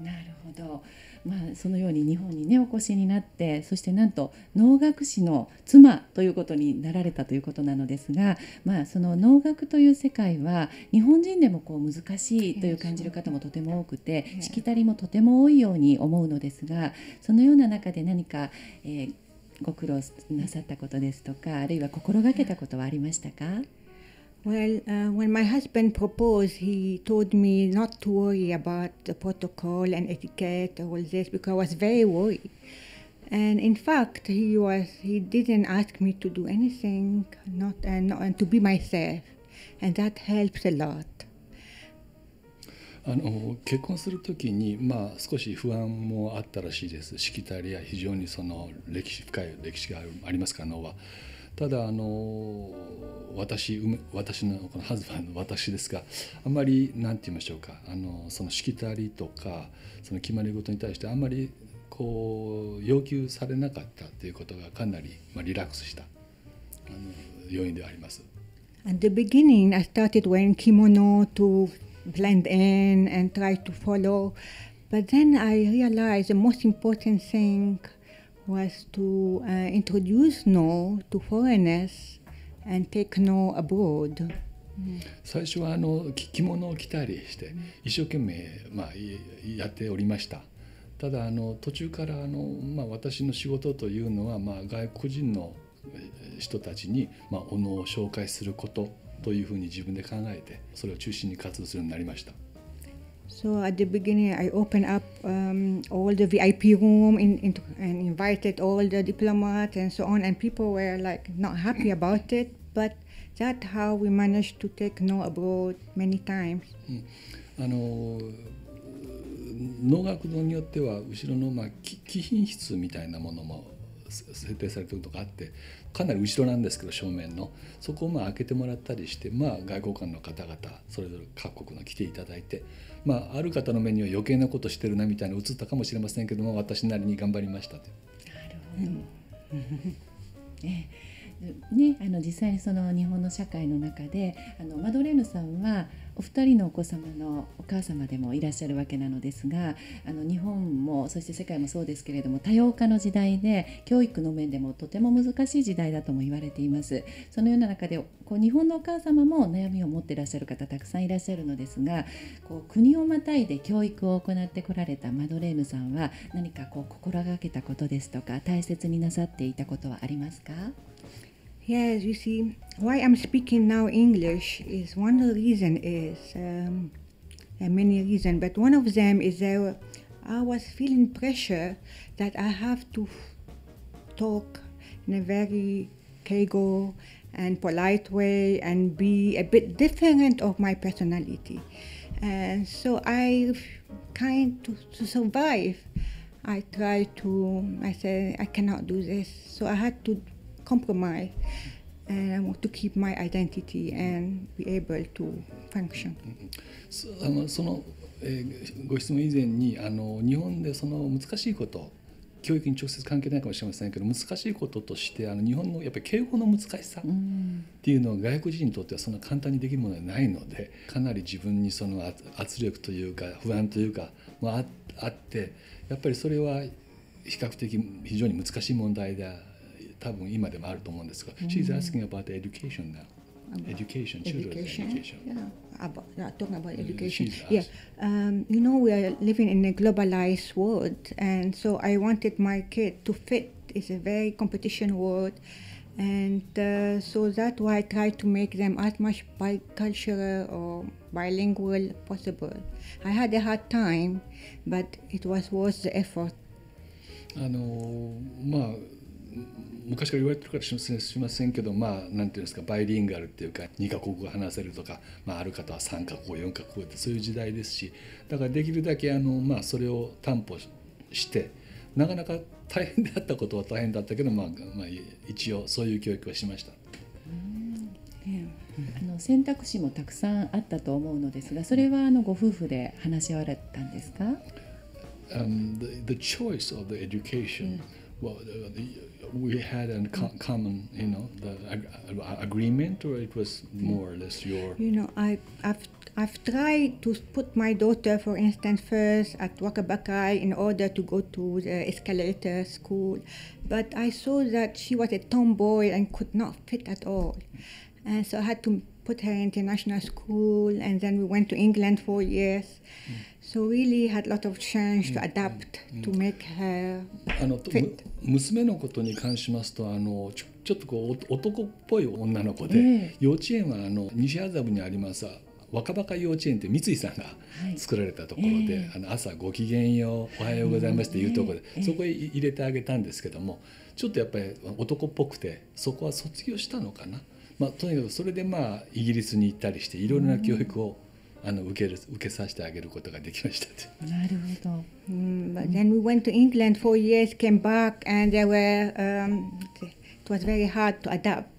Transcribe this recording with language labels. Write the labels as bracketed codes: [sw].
[ja] ん、なるほど、まあ、そのように日本に、ね、お越しになってそしてなんと能楽師の妻ということになられたということなのですが、まあ、その能楽という世界は日本人でもこう難しいという感じる方もとても多くて、しきたりもとても多いように思うのですが、そのような中で何か、ご苦労なさったことですとかあるいは心がけたことはありましたか？ [en] Well, when my husband proposed, he told me not to worry about the protocol and etiquette, all this, because I was very worried. And in fact, he didn't ask me to do anything, not to be myself. And that helps a lot. [ja] 結婚するときに、まあ、少し不安もあったらしいです。しきたりや非常にその歴史深い歴史がありますからのは。ただ私のこのハズバンの私ですが、あんまり何て言いましょうか、そのしきたりとかその決まり事に対してあんまりこう要求されなかったということがかなり、まあ、リラックスした要因ではあります。 [en] At the beginning, I started wearing kimono to blend in and try to follow, but then I realized the most important thingwas to introduce no to foreigners and take no abroad. [ja] 最初は着物を着たりして一生懸命、まあ、やっておりました。ただ途中から私の仕事というのは、まあ、外国人の人たちに、まあ、斧を紹介することというふうに自分で考えてそれを中心に活動するようになりました。 [en] So at the beginning, I opened up all the VIP room and invited all the diplomats and so on. And people were like not happy about it, but that's how we managed to take no abroad many times. [ja] 能楽堂によっては後ろの、まあ、貴賓室みたいなものも設定されているとかあって、かなり後ろなんですけど正面のそこをまあ開けてもらったりして、まあ、外交官の方々それぞれ各国の来ていただいて、まあ、ある方の目には余計なことしてるなみたいな映ったかもしれませんけども、私なりに頑張りましたと。なるほど、うん、実際にその日本の社会の中でマドレーヌさんはお二人のお子様のお母様でもいらっしゃるわけなのですが、日本もそして世界もそうですけれども多様化の時代で教育の面でもとても難しい時代だとも言われています。そのような中でこう日本のお母様も悩みを持っていらっしゃる方たくさんいらっしゃるのですが、こう国をまたいで教育を行ってこられたマドレーヌさんは何かこう心がけたことですとか大切になさっていたことはありますか？ [en] Yes, you see, why I'm speaking now English is one of the reasons is, there are many reasons, but one of them is that I was feeling pressure that I have to talk in a very casual and polite way and be a bit different of my personality. And so I kind of to survive, I try to, I said, I cannot do this, so I had to. compromise and I want to keep my identity and be able to function. [ja] その、ご質問以前に日本でその難しいこと、教育に直接関係ないかもしれませんけど、難しいこととして日本のやっぱり敬語の難しさっていうのは、うん、外国人にとってはそんな簡単にできるものではないので、かなり自分にその圧力というか不安というかも あってやっぱりそれは比較的非常に難しい問題で多分今でもあると思うんですが、mm-hmm. [en] She's asking about the education now. Education, children's education. Education. Yeah. Talking about education. Yeah. You know, we are living in a globalized world, and so I wanted my kid to fit. It's a very competition world, and so that's why I try to make them as much bicultural or bilingual possible. I had a hard time, but it was worth the effort. [ja] まあ昔から言われてるかもしれませんけど、まあ、なんていうんですか、バイリンガルっていうか2カ国語話せるとか、まあ、ある方は3カ国語4カ国語ってそういう時代ですし、だからできるだけまあ、それを担保してなかなか大変だったことは大変だったけど、まあ、一応そういう教育はしました。うん、選択肢もたくさんあったと思うのですが、それはご夫婦で話し合われたんですか？ [en] The choice of the education、we had a common, you know, the agreement, or it was more or less your. You know, I've tried to put my daughter, for instance, first at Wakabakai in order to go to the escalator school, but I saw that she was a tomboy and could not fit at all, and so I had to put her in international school, and then we went to England 4 years. So really had a lot of change to adapt to make her fit. [ja] 娘のことに関しますと、ちょっとこう男っぽい女の子で、幼稚園は西麻布にあります若葉幼稚園って三井さんが作られたところで、朝ごきげんよう、おはようございますっていうところで、そこへ入れてあげたんですけども、ちょっとやっぱり男っぽくて、そこは卒業したのかな。まあ、とにかくそれでイギリスに行ったりして、いろいろな教育を、受けさせてあげることができましたって。なるほど。 [en] But then we went to England 4 years, came back, and there were it was very hard to adapt.